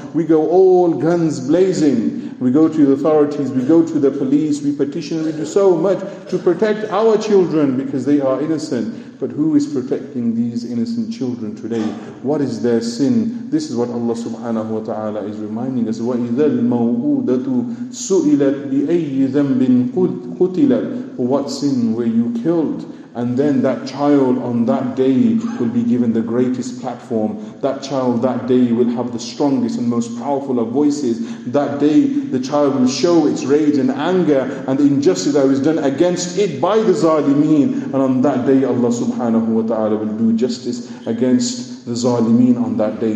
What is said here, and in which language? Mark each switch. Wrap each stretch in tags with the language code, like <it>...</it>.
<en>We go all guns blazing. We go to the authorities, we go to the police, we petition, we do so much to protect our children because they are innocent. But who is protecting these innocent children today? What is their sin? This is what Allah subhanahu wa ta'ala is reminding us.</en> <ar>وَإِذَا الْمَوْءُودَةُ سُئِلَتْ بِأَيِّ ذَنْبٍ قُتِلَتْ,</ar> <en>what sin were you killed? And then that child on that day will be given the greatest platform. That child that day will have the strongest and most powerful of voices. That day the child will show its rage and anger and the injustice that was done against it by the zalimeen. And on that day Allah subhanahu wa ta'ala will do justice against the zalimeen on that day.</en>